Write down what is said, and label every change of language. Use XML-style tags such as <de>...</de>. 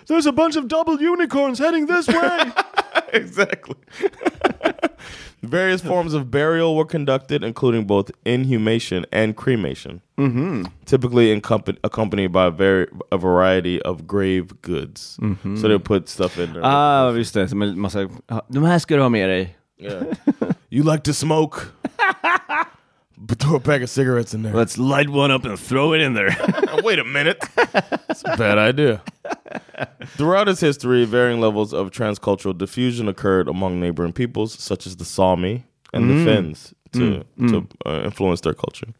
<en>There's a bunch of double unicorns heading this way. Exactly. Various forms of burial were conducted, including both inhumation and cremation, typically accompanied by a variety of grave goods. Mm-hmm. So they put stuff in there.</en> <sv>Ah, just det. Man måste de här ska du ha med dig.</sv> <en>You like to smoke? But throw a pack of cigarettes in there. Let's light one up and throw it in there. Wait a minute. That's a bad idea. Throughout its history, varying levels of transcultural diffusion occurred among neighboring peoples, such as the Sami and the Finns, to influence their culture.</en>